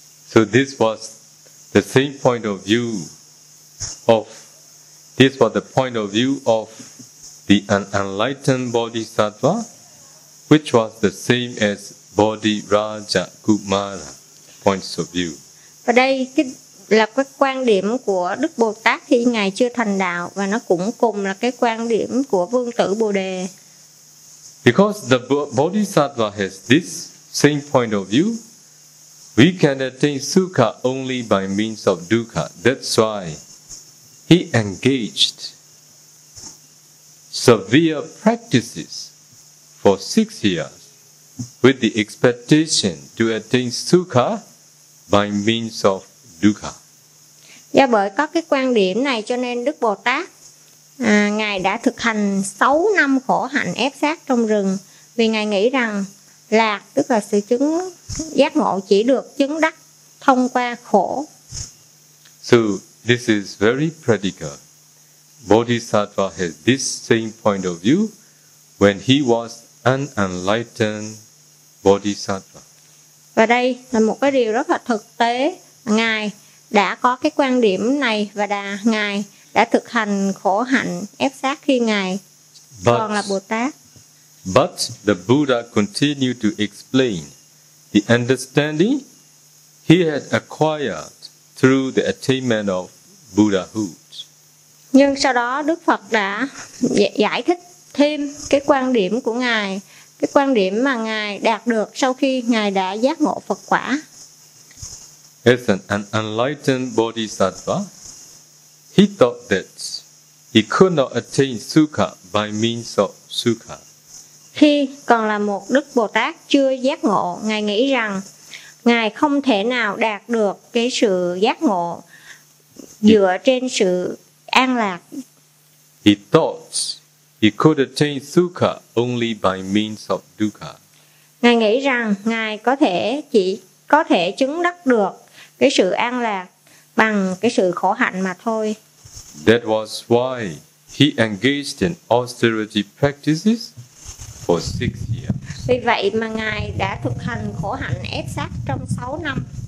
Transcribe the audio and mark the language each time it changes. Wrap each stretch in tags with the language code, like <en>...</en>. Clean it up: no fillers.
<en>So this was the same point of view of this was the point of view of the enlightened bodhisattva, which was the same as Bodhi Raja Kumara points of view.</en> <vi>Và đây cái là cái quan điểm của Đức Bồ Tát khi ngài chưa thành đạo, và nó cũng cùng là cái quan điểm của Vương Tử Bồ Đề.</vi> <en>Because the bodhisattva has this same point of view, we can attain sukha only by means of dukkha. That's why he engaged severe practices for 6 years with the expectation to attain sukha by means of dukkha.</en> <vi>Do bởi có cái quan điểm này cho nên Đức Bồ Tát ngài đã thực hành 6 năm khổ hạnh ép sát trong rừng, vì ngài nghĩ rằng lạc tức là sự chứng giác ngộ chỉ được chứng đắc thông qua khổ.</vi> <en>So this is very practical. Bodhisattva has this same point of view when he was an enlightened bodhisattva.</en> <vi>Và đây là một cái điều rất là thực tế. Ngài đã có cái quan điểm này và ngài đã thực hành khổ hạnh ép sát khi ngài còn là Bồ Tát.</vi> <en>But the Buddha continued to explain the understanding he had acquired through the attainment of Buddhahood.</en> <vi>Nhưng sau đó Đức Phật đã giải thích thêm cái quan điểm của ngài, cái quan điểm mà ngài đạt được sau khi ngài đã giác ngộ Phật quả.</vi> <en>As an enlightened bodhisattva, he thought that he could not attain sukha by means of sukha.</en> <vi>Khi còn là một Đức Bồ Tát chưa giác ngộ, ngài nghĩ rằng ngài không thể nào đạt được cái sự giác ngộ dựa trên sự an lạc.</vi> <en>He thought he could attain sukha only by means of dukkha.</en> <vi>Ngài nghĩ rằng ngài chỉ có thể chứng đắc được cái sự an lạc bằng cái sự khổ hạnh mà thôi.</vi> <en>That was why he engaged in austerity practices for 6 years.</en> <vi>Vì vậy mà ngài đã thực hành khổ hạnh ép sát trong 6 năm.</vi>